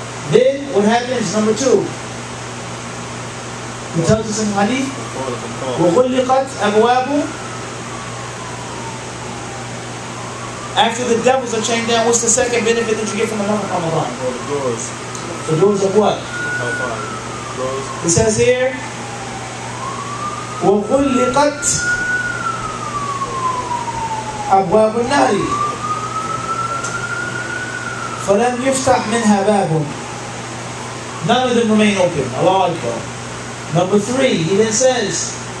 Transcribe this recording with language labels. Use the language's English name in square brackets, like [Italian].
[English] Then what happens? Number two. He tells us in Hadith, [Arabic] وَغُلِّقَتْ أَبْوَابُ. [English] After the devils are chained down, what's the second benefit that you get from the month of Ramadan? The doors. The doors of what? Doors. He says here, [Arabic] وَغُلِّقَتْ أَبْوَابُ النَّارِ فَلَمْ يُفْتَحْ مِنْهَا بَابٌ. [English] None of them remain open. Allah Akbar. Number three, he then says,